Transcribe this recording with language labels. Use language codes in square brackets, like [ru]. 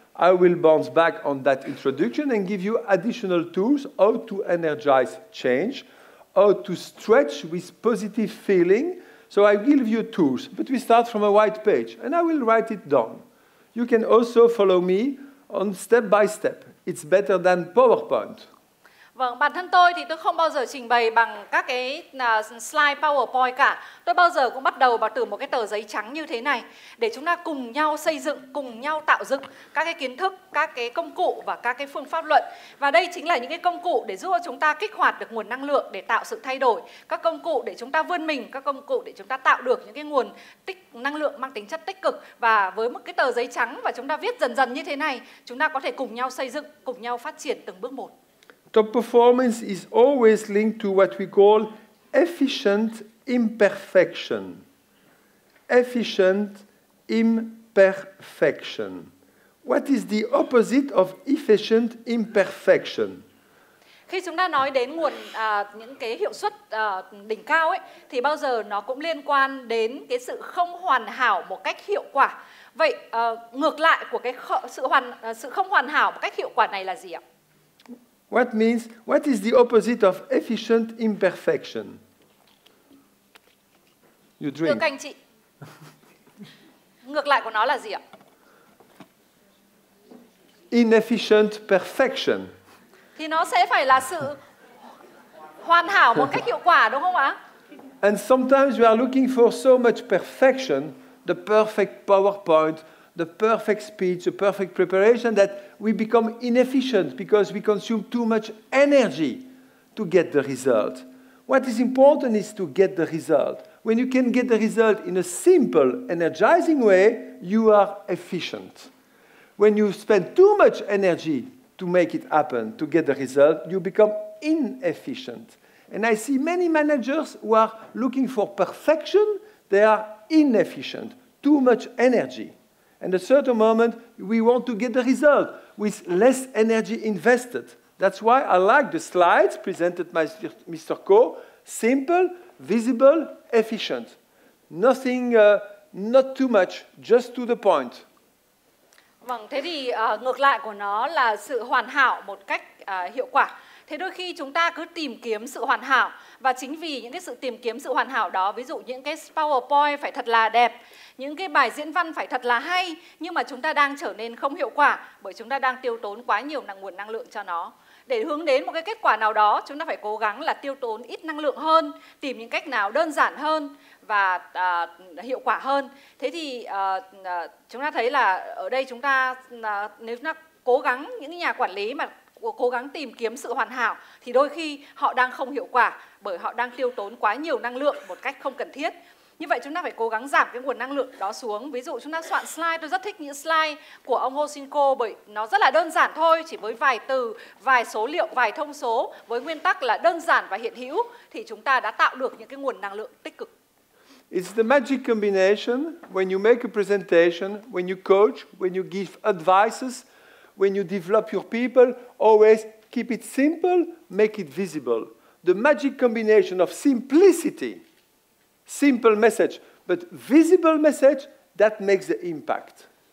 [en] I will bounce back on that introduction and give you additional tools how to energize change, how to stretch with positive feeling. So I give you tools, but we start from a white page and I will write it down. You can also follow me on step by step. It's better than PowerPoint. [vi] Vâng, bản thân tôi thì tôi không bao giờ trình bày bằng các cái slide PowerPoint cả. Tôi bao giờ cũng bắt đầu từ một cái tờ giấy trắng như thế này để chúng ta cùng nhau xây dựng, cùng nhau tạo dựng các cái kiến thức, các cái công cụ và các cái phương pháp luận. Và đây chính là những cái công cụ để giúp chúng ta kích hoạt được nguồn năng lượng để tạo sự thay đổi. Các công cụ để chúng ta vươn mình, các công cụ để chúng ta tạo được những cái nguồn tích năng lượng mang tính chất tích cực. Và với một cái tờ giấy trắng và chúng ta viết dần dần như thế này, chúng ta có thể cùng nhau xây dựng, cùng nhau phát triển từng bước một. [en] Top performance is always linked to what we call efficient imperfection. Efficient imperfection. What is the opposite of efficient imperfection? [vi] Khi chúng ta nói đến nguồn những cái hiệu suất đỉnh cao ấy, thì bao giờ nó cũng liên quan đến cái sự không hoàn hảo một cách hiệu quả. Vậy ngược lại của cái sự không hoàn hảo một cách hiệu quả này là gì ạ? [en] What means, what is the opposite of efficient imperfection? You drink. [vi] Được anh chị. Ngược lại của nó là gì ạ? [en] Inefficient perfection. [vi] Thì nó sẽ phải là sự hoàn hảo một cách hiệu quả, đúng không ạ? [en] And sometimes we are looking for so much perfection, the perfect PowerPoint, the perfect speech, the perfect preparation, that we become inefficient because we consume too much energy to get the result. What is important is to get the result. When you can get the result in a simple, energizing way, you are efficient. When you spend too much energy to make it happen, to get the result, you become inefficient. And I see many managers who are looking for perfection, they are inefficient, too much energy. And at a certain moment, we want to get the result with less energy invested. That's why I like the slides presented by Mr. Ko. Simple, visible, efficient. Nothing, not too much, just to the point. [vi] Vâng, thế thì ngược lại của nó là sự hoàn hảo một cách hiệu quả. Thế đôi khi chúng ta cứ tìm kiếm sự hoàn hảo, và chính vì những cái sự tìm kiếm sự hoàn hảo đó, ví dụ những cái PowerPoint phải thật là đẹp, những cái bài diễn văn phải thật là hay, nhưng mà chúng ta đang trở nên không hiệu quả bởi chúng ta đang tiêu tốn quá nhiều nguồn năng lượng cho nó. Để hướng đến một cái kết quả nào đó, chúng ta phải cố gắng là tiêu tốn ít năng lượng hơn, tìm những cách nào đơn giản hơn và hiệu quả hơn. Thế thì chúng ta thấy là ở đây chúng ta, nếu chúng ta cố gắng, những nhà quản lý mà cố gắng tìm kiếm sự hoàn hảo thì đôi khi họ đang không hiệu quả bởi họ đang tiêu tốn quá nhiều năng lượng một cách không cần thiết. Như vậy chúng ta phải cố gắng giảm cái nguồn năng lượng đó xuống. Ví dụ chúng ta soạn slide, tôi rất thích những slide của ông Hosinko bởi nó rất là đơn giản thôi, chỉ với vài từ, vài số liệu, vài thông số, với nguyên tắc là đơn giản và hiện hữu, thì chúng ta đã tạo được những cái nguồn năng lượng tích cực. [en] It's the magic combination when you make a presentation, when you coach, when you give advices, when you develop your people, always keep it simple, make it visible. The magic combination of simplicity, simple message, but visible message, that makes the impact.